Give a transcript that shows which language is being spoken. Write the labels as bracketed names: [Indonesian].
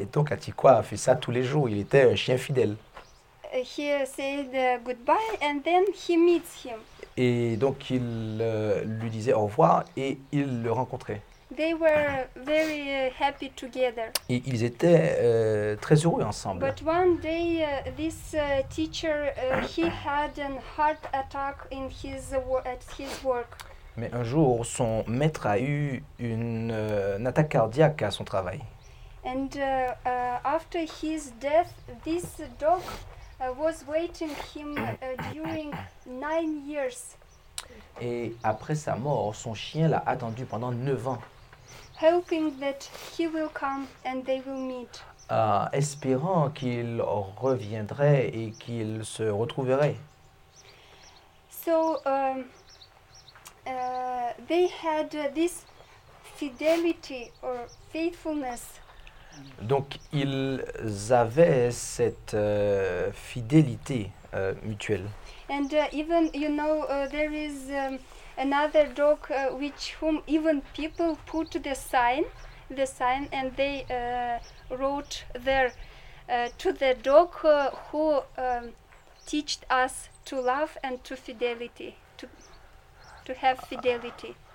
[French] Et donc Hatiko a fait ça tous les jours. Il était un chien fidèle. [English] He said goodbye and then he meets him. [French] Et donc il lui disait au revoir et il le rencontrait. [English] They were very happy together. [French] Et ils étaient très heureux ensemble. [English] But one day this teacher he had an heart attack in his at his work. [French] Mais un jour son maître a eu une attaque cardiaque à son travail. [English] And after his death this dog was waiting him during 9 years. [French] Et après sa mort son chien l'a attendu pendant 9 ans. [English] Hoping that he will come and they will meet. [French] Espérant qu'il reviendrait et qu'ils se retrouveraient. [English] So they had this fidelity or faithfulness. [French] Donc ils avaient cette fidélité mutuelle. [English] And even you know there is another dog which whom even people put the sign and they wrote there to the dog who teached us to love and to fidelity to have fidelity.